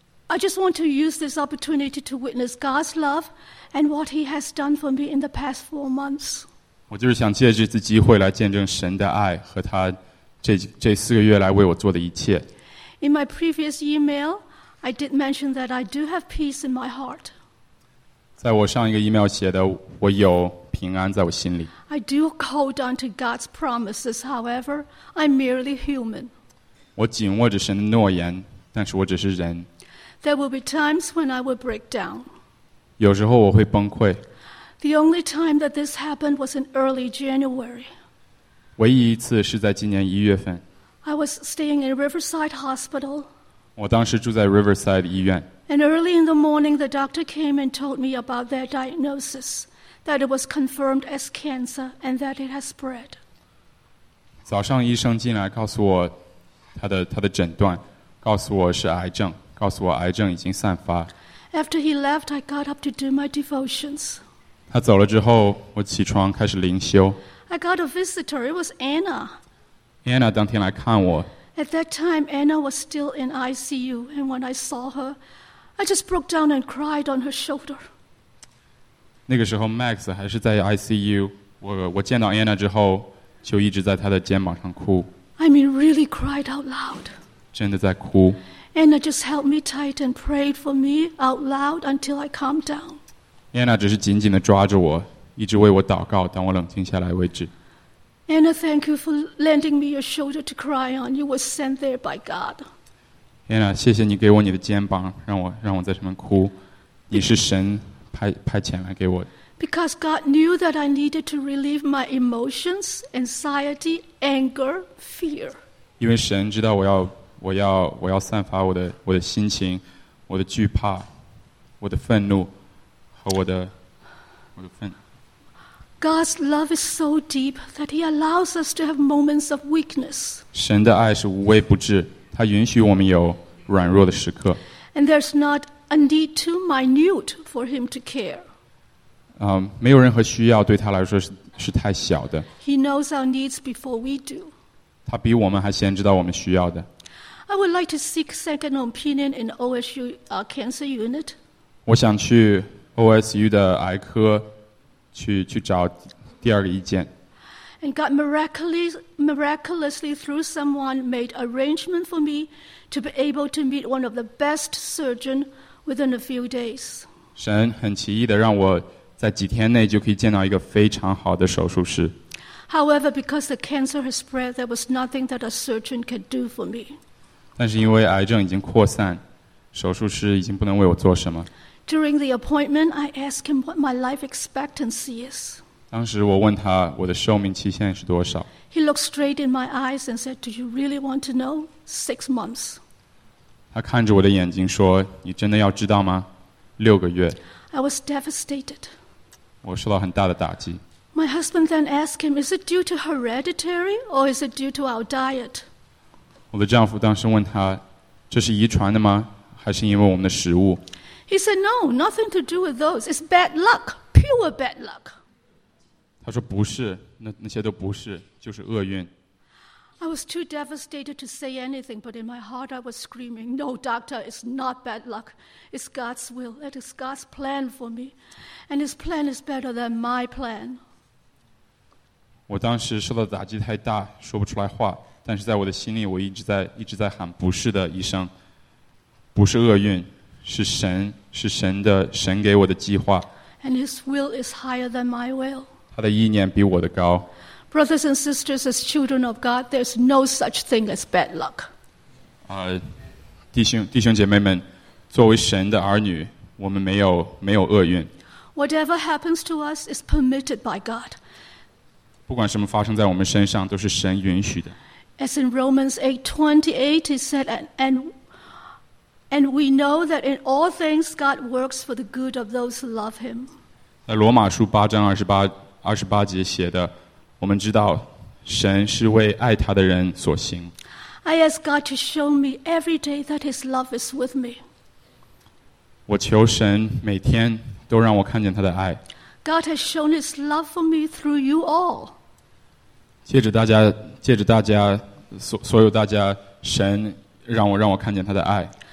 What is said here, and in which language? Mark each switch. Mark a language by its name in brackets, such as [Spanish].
[English] I just want to use this opportunity to witness God's love and what He has done for me in the past 4 months. [Chinese] 我就是想借这次机会来见证神的爱和他这四个月来为我做的一切。 [English] In my previous email, I did mention that I do have peace in my heart. [Chinese] 在我上一个 email 写的，我有平安在我心里。 [English] I do hold on to God's promises, however, I'm merely human. [Chinese] 我紧握着神的诺言，但是我只是人。 [English] There will be times when I will break down. [Chinese] 有时候我会崩溃。 [English] The only time that this happened was in early January. [Chinese] 唯一一次是在今年一月份。 [English] I was staying in Riverside Hospital. [Chinese] 我当时住在 Riverside 医院。 [English] And early in the morning, the doctor came and told me about their diagnosis, that it was confirmed as cancer and that it has spread. [Chinese] 早上医生进来告诉我他的诊断，告诉我是癌症。告诉我癌症已经散发。 [English] After he left, I got up to do my devotions. [Chinese] 他走了之后，我起床开始灵修。 [English] I got a visitor. It was Anna. [Chinese] Anna 当天来看我。 [English] At that time, Anna was still in ICU, and when I saw her, I just broke down and cried on her shoulder. [Chinese] 那个时候 ，Max 还是在 ICU 我见到 Anna 之后，就一直在她的肩膀上哭。 [English] I mean, really cried out loud. [Chinese] 真的在哭。 [English] Anna just held me tight and prayed for me out loud until I calmed down. [Chinese] Anna 只是紧紧地抓着我，一直为我祷告，当我冷静下来为止。 [English] Anna, thank you for lending me your shoulder to cry on. You were sent there by God. [Chinese] Anna, 谢谢你给我你的肩膀，让我在上面哭。你是神派遣来给我的。 [English] Because God knew that I needed to relieve my emotions, anxiety, anger, fear. [Chinese] 因为神知道我要散发我的心情，我的惧怕，我的愤怒和我的愤。 [English] God's love is so deep that He allows us to have moments of weakness. [Chinese] 神的爱是无微不至，他允许我们有软弱的时刻。 [English] And there's not a need too minute for Him to care. [Chinese] 没有任何需要对他来说是太小的。 [English] He knows our needs before we do. [Chinese] 他比我们还先知道我们需要的。 [English] I would like to seek second opinion in OSU cancer unit. [Chinese] 我想去 OSU 的癌科去找第二个意见。 [English] And God miraculously through someone made arrangement for me to be able to meet one of the best surgeons within a few days. [Chinese] 神很奇异的让我在几天内就可以见到一个非常好的手术师。 [English] However, because the cancer has spread, there was nothing that a surgeon could do for me. [Chinese] 但是因为癌症已经扩散，手术室已经不能为我做什么。 [English] During the appointment, I asked him what my life expectancy is. [Chinese] 当时我问他我的寿命期限是多少。 [English] He looked straight in my eyes and said, "Do you really want to know? 6 months." [Chinese] 他看着我的眼睛说，你真的要知道吗？六个月。 [English] I was devastated. [Chinese] 我受到很大的打击。 [English] My husband then asked him, "Is it due to hereditary or is it due to our diet?" [Chinese] 我的丈夫当时问他，这是遗传的吗？还是因为我们的食物？ [English] He said, no, nothing to do with those. It's bad luck, pure bad luck. [Chinese] 他说不是，那些都不是，就是厄运。 [English] I was too devastated to say anything, but in my heart I was screaming, no, doctor, it's not bad luck. It's God's will. It is God's plan for me. And His plan is better than my plan. [Chinese] 我当时受到打击太大，说不出来话。但是在我的心里，我一直在喊：“不是的，医生，不是厄运，是神，是神的，神给我的计划。 [English] And his will is higher than my will. [Chinese] 他的意念比我的高。 [English] Brothers and sisters, as children of God, there's no such thing as bad luck. [Chinese] 弟兄姐妹们，作为神的儿女，我们没有厄运。 [English] Whatever happens to us is permitted by God. [Chinese] 不管什么发生在我们身上，都是神允许的。 [English] As in Romans 8:28, he said, and we know that in all things God works for the good of those who love him. [Chinese] 在罗马书8:28写的，我们知道神是为爱他的人所行。 [English] I ask God to show me every day that his love is with me. [Chinese] 我求神每天都让我看见他的爱。 [English] God has shown his love for me through you all. [Chinese] 借着大家 所有大家，神让我看见他的爱。